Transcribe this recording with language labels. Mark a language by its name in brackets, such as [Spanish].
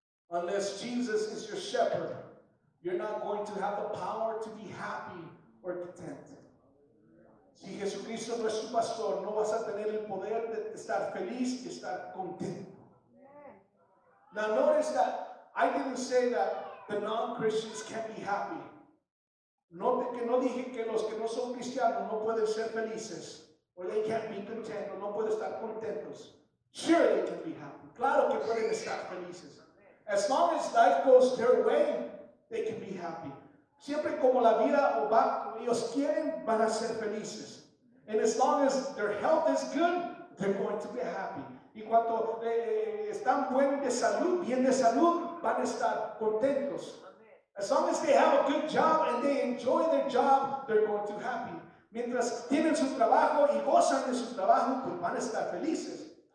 [English] Unless Jesus is your shepherd, you're not going to have the power to be happy or content. [Spanish] Si Jesucristo no es tu pastor, no vas a tener el poder de estar feliz y estar contento. [English] Now notice that I didn't say that the non-Christians can't be happy. [Spanish] Note que no dije que los que no son cristianos no pueden ser felices. [English] Or they can't be content. [Spanish] O no pueden estar contentos. [English] Sure they can be happy. [Spanish] Claro que pueden estar felices. [English] As long as life goes their way, they can be happy. [Spanish] Siempre como la vida o va, ellos quieren, van a ser felices. [English] And as long as their health is good, they're going to be happy. [Spanish] Y cuando están buen de salud, bien de salud, van a estar contentos. [English] As long as they have a good job and they enjoy their job, they're going to be happy. [Spanish] Mientras tienen su trabajo y gozan de su trabajo, pues van a estar felices.